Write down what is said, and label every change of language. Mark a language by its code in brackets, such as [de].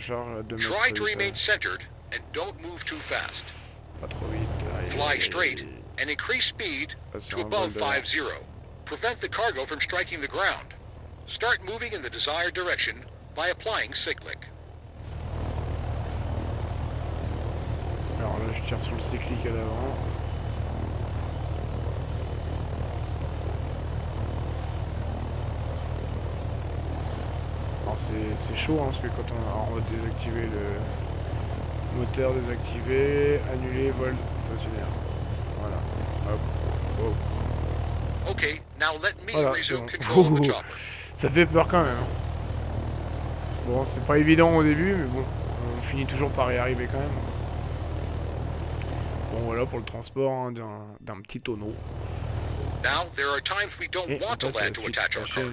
[en] Try to remain centered and don't move too fast. [fr] Pas trop vite. [en] Fly straight and increase speed to above 50. Prevent the cargo from striking the ground. Start moving in the desired direction by applying cyclic. [fr] Alors là, je tire sur le cyclique à l'avant. C'est chaud hein, parce que quand on va désactiver le moteur, désactiver, annuler, vol stationnaire. Voilà. Hop. Oh. [en] Ok, now let me voilà, resume control. [fr] Ça fait peur quand même. Bon, c'est pas évident au début, mais bon, on finit toujours par y arriver quand même. Bon, voilà pour le transport hein, d'un petit tonneau. [en] Now, there are times we don't want to land to attach our cargo.